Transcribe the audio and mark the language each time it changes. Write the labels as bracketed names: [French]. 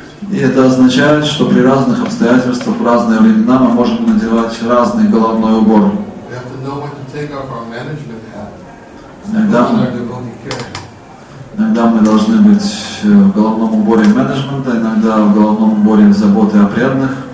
[Russian] И это означает, что при разных обстоятельствах, в разные времена мы можем надевать разный головной убор. [English] Take off our management hat. Put on our devotee care. [Russian] Иногда мы должны быть в головном уборе менеджмента, иногда в головном уборе заботы о преданных.